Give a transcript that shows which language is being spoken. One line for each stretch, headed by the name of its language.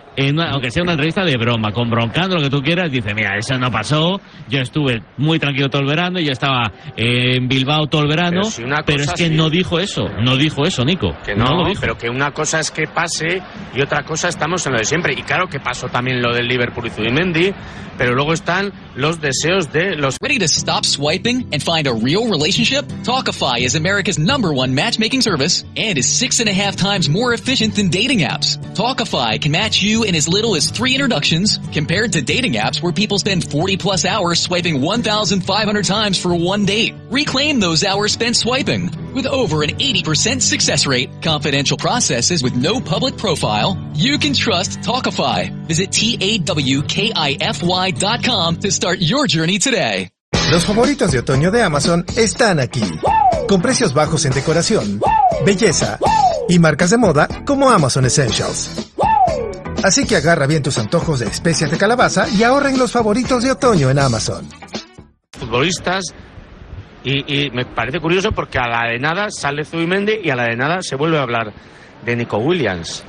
Spanish: aunque sea una entrevista de broma, con Broncano, lo que tú quieras, dice, mira, eso no pasó, yo estuve muy tranquilo todo el verano, yo estaba en Bilbao todo el verano, pero es que sí. no dijo eso, Nico. Que no, lo dijo. Pero que una cosa es que pase y otra cosa estamos en lo de siempre. Y claro que pasó también lo del Liverpool y Zubimendi, pero luego están los deseos de los...
English: Ready to stop swiping and find a real relationship? Talkify is America's number one matchmaking service and is 6.5 times more efficient than dating apps. Talkify can match you in as little as 3 introductions compared to dating apps where people spend 40 plus hours swiping 1,500 times for one date. Reclaim those hours spent swiping. With over an 80% success rate, confidential processes with no public profile, you can trust Talkify. Visit TAWKIFY.com to start your journey today.
Spanish: Los favoritos de otoño de Amazon están aquí. Con precios bajos en decoración, belleza y marcas de moda como Amazon Essentials. Así que agarra bien tus antojos de especias de calabaza y ahorren los favoritos de otoño en Amazon. Futbolistas, y me parece curioso porque a la de nada sale Zubimendi y a la de nada se vuelve a hablar de Nico Williams.